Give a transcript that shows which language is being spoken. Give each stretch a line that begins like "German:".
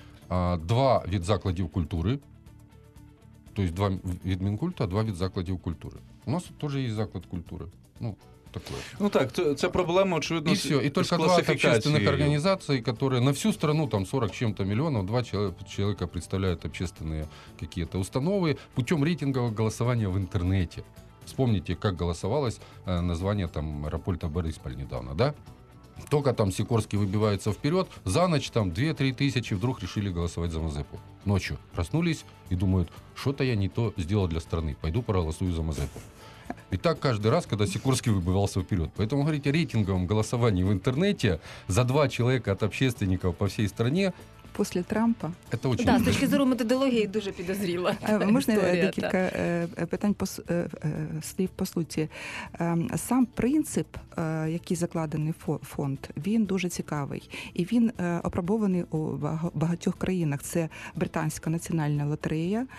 Ukrainian: Два від закладів культури,
Russian: то есть
Ukrainian: 2 від Мінкульту, а 2 від закладів культури. У нас теж є заклад культури. Ну так, це проблема, очевидно, з класифікацією. І тільки 2 общественних організацій, які на всю страну, там 40 чим-то мільйонів, 2 чоловіка представляють общественні якісь установи путем рейтингового голосування в інтернеті.
Russian: Вспомните, как голосовалось название там аэропорта Борисполь недавно, да? Только там Сикорский выбивается вперед, за ночь там 2-3 тысячи вдруг решили голосовать за Мазепу. Ночью проснулись и думают, что-то я не то сделал для страны, пойду проголосую за Мазепу. И так каждый раз, когда Сикорский выбивался вперед. Поэтому, говорите, рейтинговом голосовании в интернете за 2 человека от общественников по всей стране.
Ukrainian: Після Трампа.
Russian: Это очень...
Ukrainian: Да, з точки зору методології дуже підозріла. Можна декілька питань по слів по суті. Сам принцип, який закладений фонд, він дуже цікавий. І він опробований у багатьох країнах. Це британська національна лотерея.